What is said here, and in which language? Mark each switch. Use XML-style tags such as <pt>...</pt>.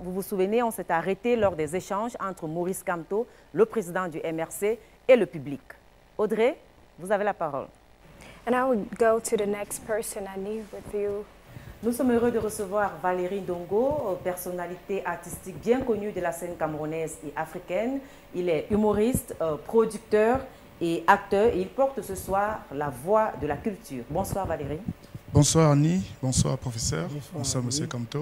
<fr>Vous vous souvenez, on s'est arrêté lors des échanges entre Maurice Kamto, le président du MRC, et le public. Audrey, vous avez la parole.</fr> <en>And I will go to the next person I need with you.</en> <fr>Nous sommes heureux de recevoir Valérie Dongo, personnalité artistique bien connue de la scène camerounaise et africaine. Il est humoriste, producteur et acteur et il porte ce soir la voix de la culture. Bonsoir Valérie. Bonsoir Annie, bonsoir professeur, bonsoir monsieur Kamto.</fr>